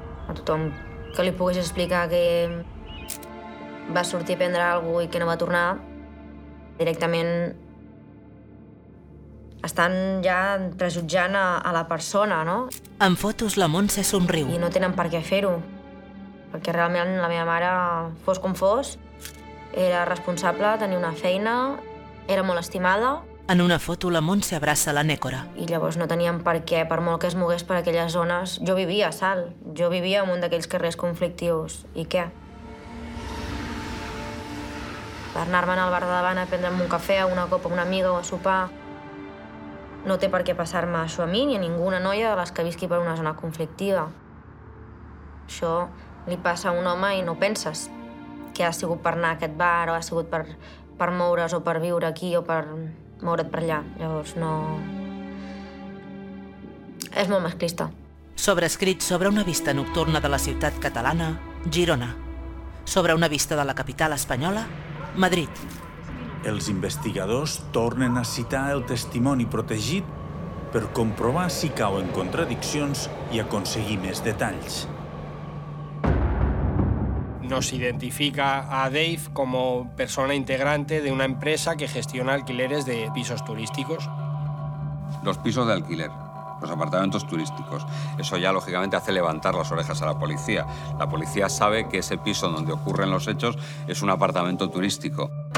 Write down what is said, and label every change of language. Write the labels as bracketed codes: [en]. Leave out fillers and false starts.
[ca] A tothom que li pogués explicar que va sortir a prendre alguna cosa i que no va tornar, directament estan ja prejutjant a la persona, no? En fotos, la Montse somriu. I no tenen per què fer-ho. perquè realment la meva mare, fos com fos, era responsable, tenia una feina, era molt estimada. En una foto, la Montse abraça la Nécora. I llavors no teníem per què, per molt que es mogués per aquelles zones. Jo vivia a Salt, jo vivia en un d'aquells carrers conflictius. I què? Per anar-me'n al bar de davant a prendre'm un cafè, una copa, una amiga o a sopar, no té per què passar-me això a mi ni a ninguna noia de les que visqui per una zona conflictiva. Això li passa a un home i no penses que ha sigut per anar a aquest bar o ha sigut per moure's o per viure aquí o per moure't per allà. Llavors, no... És molt masclista. Sobrescrit sobre una vista nocturna de la ciutat catalana, Girona. Sobre una vista de la capital espanyola, Madrid. Els investigadors tornen a citar el testimoni protegit per comprovar si cauen contradiccions i aconseguir més detalls. [es] Nos identifica a Dave como persona integrante de una empresa que gestiona alquileres de pisos turísticos. Los pisos de alquiler, los apartamentos turísticos. Eso ya, lógicamente, hace levantar las orejas a la policía. La policía sabe que ese piso donde ocurren los hechos es un apartamento turístico.